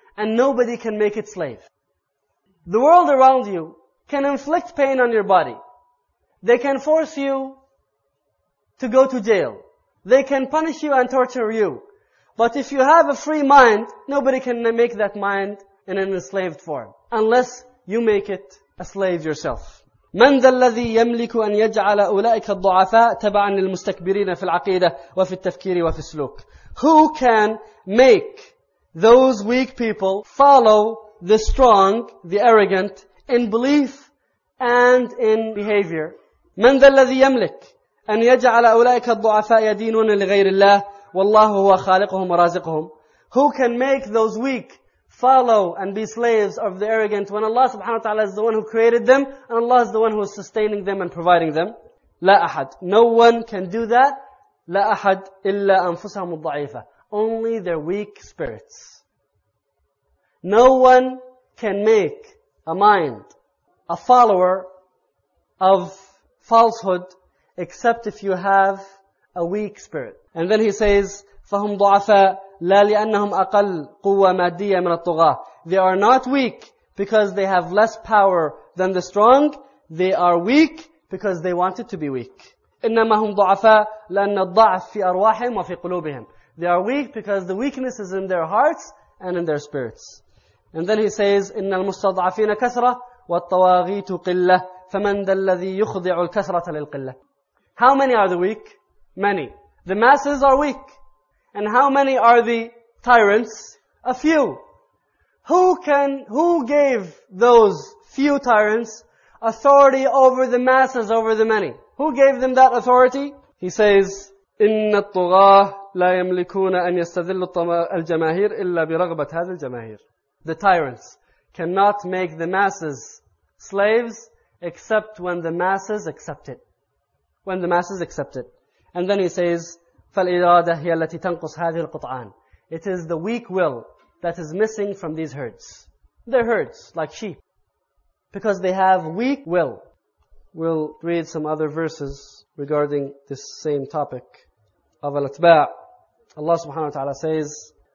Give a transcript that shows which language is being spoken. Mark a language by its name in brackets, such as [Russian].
[English] And nobody can make it slave. The world around you can inflict pain on your body. They can force you to go to jail. They can punish you and torture you. But if you have a free mind, nobody can make that mind in an enslaved form. Unless you make it a slave yourself. [Arabic] من ذا الذي يملك أن يجعل أولئك الضعفاء تبعا للمستكبرين في العقيدة وفي التفكير وفي السلوك. [English] Who can make those weak people follow the strong, the arrogant, in belief and in behavior? [Arabic] من ذا الذي يملك أن يجعل أولئك الضعفاء يدينون لغير الله والله هو خالقهم ورازقهم. [English] Who can make those weak follow and be slaves of the arrogant when Allah subhanahu wa ta'ala is the one who created them and Allah is the one who is sustaining them and providing them? لا أحد. No one can do that. [Arabic] لا أحد إلا أنفسهم الضعيفة. [English] Only their weak spirits. No one can make a mind a follower of falsehood except if you have a weak spirit. [Arabic] And then he says, فهم ضعفاء لا لأنهم أقل قوة مادية من الطغاة. [English] They are not weak because they have less power than the strong. They are weak because they wanted to be weak. [Arabic] إنما هم ضعفاء لأن الضعف في أرواحهم وفي قلوبهم. [English] They are weak because the weakness is in their hearts and in their spirits. [Arabic] And then he says, إن المستضعفين كثرة والطواغيت قلة فمن ذا الذي يخضع الكثرة للقلة. [English] How many are the weak? Many. The masses are weak. And how many are the tyrants? A few. Who gave those few tyrants authority over the masses, over the many? Who gave them that authority? [Arabic] He says, إِنَّ الطُّغَاةَ لَا يَمْلِكُونَ أَن يَسْتَذِلُّ الْجَمَاهِيرِ إِلَّا بِرَغْبَةِ هَذِ الْجَمَاهِيرِ. [English] The tyrants cannot make the masses slaves except when the masses accept it. When the masses accept it. [Arabic] And then he says, فالإرادة هي التي تنقص هذه القطعان. [English] It is the weak will that is missing from these herds. They're herds, like sheep. Because they have weak will. We'll read some other verses regarding this same topic of Al-Atba'. Allah subhanahu wa ta'ala says,